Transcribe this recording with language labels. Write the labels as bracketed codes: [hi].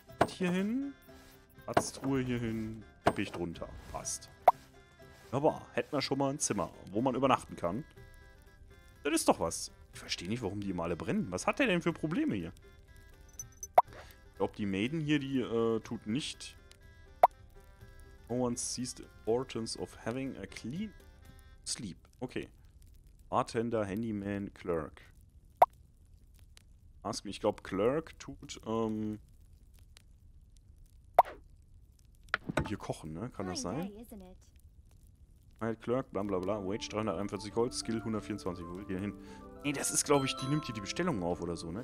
[de] Hier hin. Arztruhe hier hin. Teppich drunter. Passt. Aber hätten wir schon mal ein Zimmer, wo man übernachten kann. Das ist doch was. Ich verstehe nicht, warum die immer alle brennen. Was hat der denn für Probleme hier? Ich glaube, die Maiden hier, die tut nicht. [en] No one sees the importance of having a clean sleep. Okay. Bartender, Handyman, Clerk. Ask me. [de] Ich glaube, Clerk tut hier kochen, ne? Kann das sein? Mild Clerk, bla bla bla. Wage 341 Gold, Skill 124. Wo will ich hier hin? Nee, das ist, glaube ich, die nimmt hier die Bestellungen auf oder so, ne?